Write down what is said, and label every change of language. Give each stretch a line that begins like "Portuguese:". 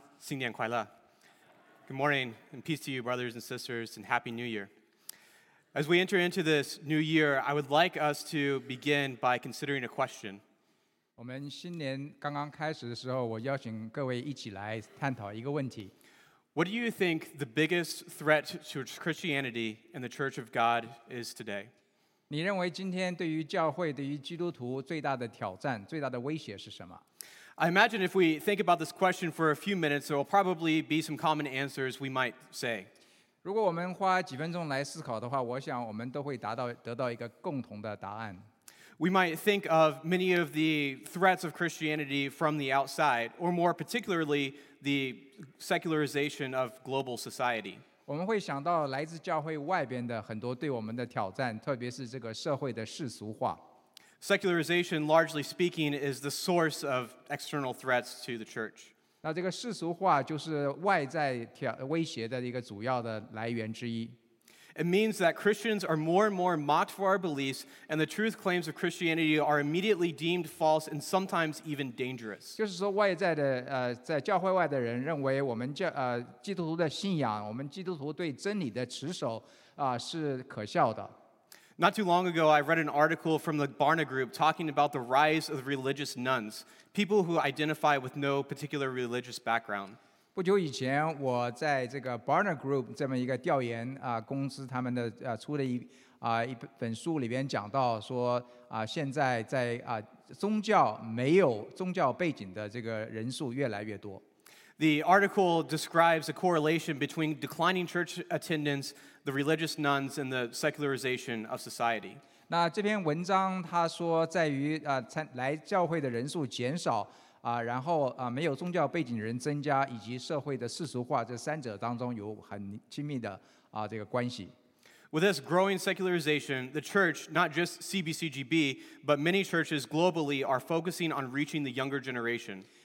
English: Good morning and peace to you, brothers and sisters, and Happy New Year. As we enter into this new year, I would like us to begin by considering a question.
Chinese: 我们新年刚刚开始的时候，我邀请各位一起来探讨一个问题。
English: What do you think the biggest threat to Christianity and the Church of God is today?
Chinese: 你认为今天对于教会、对于基督徒最大的挑战、最大的威胁是什么？
English: I imagine if we think about this question for a few minutes, there will probably be some common answers we might say.
Chinese: 如果我们花几分钟来思考的话，我想我们都会得到一个共同的答案。
English: We might think of many of the threats of Christianity from the outside, or more particularly, the secularization of global society.
Chinese: 我们会想到来自教会外边的很多对我们的挑战，特别是这个社会的世俗化。
English: Secularization, largely speaking, is the source of external threats to the church.
Chinese: 那这个世俗化就是外在威胁的一个主要的来源之一。
English: It means that Christians are more and more mocked for our beliefs, and the truth claims of Christianity are immediately deemed false and sometimes even dangerous.
Chinese: 就是说外在的在教会外的人认为我们基督徒的信仰，我们基督徒对真理的持守是可笑的。
English: Not too long ago, I read an article from the Barna Group talking about the rise of religious nuns, people who identify with no particular religious background.
Chinese: 不久以前，我在这个 Barna Group 这么一个调研公司他们的出的一本书里边讲到说现在在宗教没有宗教背景的这个人数越来越多。
English: The article describes a correlation between declining church attendance, the religious nuns, and the secularization of society.
Chinese: 那这篇文章他说，在于来教会的人数减少，然后没有宗教背景的人增加，以及社会的世俗化，这三者当中有很亲密的这个关系。
English: With this growing secularization, the church, not just CBCGB, but many churches globally are focusing on reaching the younger generation.